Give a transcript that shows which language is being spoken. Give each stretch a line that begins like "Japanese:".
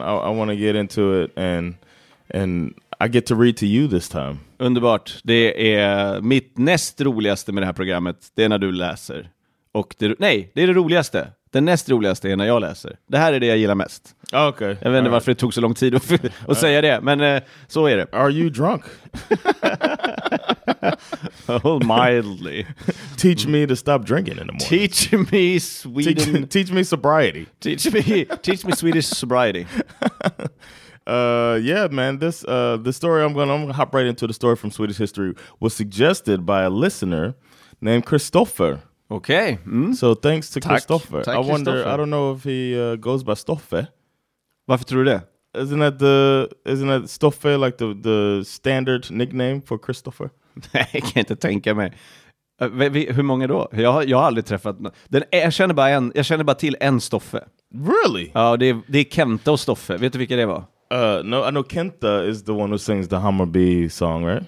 English: I want to get into it and I get to read to you this time.
Swedish: Underbart. Det är mitt näst roligaste med det här programmet. Det är när du läser. Och det är det roligaste. Det näst roligaste är när jag läser. Det här är det jag gillar mest.
English: Okay.
Swedish: Jag vet inte varför det tog så lång tid att säga det, men så är det.
English: Are you drunk? Oh, mildly. Teach me to stop drinking in the morning. Teach me Sweden. Teach me sobriety. Teach me Swedish sobriety. I'm gonna hop right into the story from Swedish history, was suggested by a listener named Christopher. Okay. Mm. So thanks to Christopher. I wonder, I don't know if he goes by Stoffe.
Swedish: Varför tror du det?
English: Isn't that Stoffe like the standard nickname for Christopher?
Swedish: Nej, jag kan inte tänka mig. Hur många då? Jag har aldrig träffat den. Jag känner bara till en Stoffe.
English: Really?
Swedish: Ja, det är Kenta och Stoffe. Vet du vilka det var?
English: No, I know Kenta is the one who sings the Hammarby song, right?